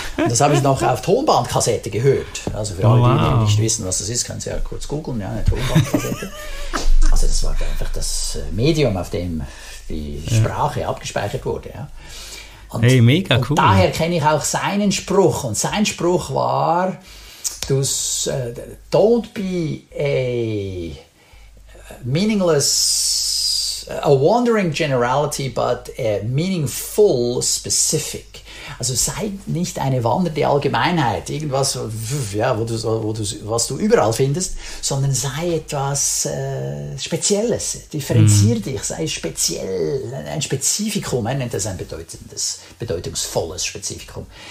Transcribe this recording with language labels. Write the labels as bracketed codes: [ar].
[de] das habe ich noch auf Tonbandkassette gehört. Also für alle, die nicht wissen, was das ist, können sie ja kurz googeln, ja, eine Tonbandkassette. Also das war einfach das Medium, auf dem die Sprache abgespeichert wurde. Ja. Und, hey, mega cool. Und daher kenne ich auch seinen Spruch. Und sein Spruch war, [en] don't be a meaningless, a wandering generality, but a meaningful specific. [de] Also sei nicht eine wandernde Allgemeinheit, irgendwas, ja, was du überall findest, sondern sei etwas Spezielles, differenziere dich, sei speziell, ein Spezifikum, er nennt das ein bedeutendes, bedeutungsvolles Spezifikum.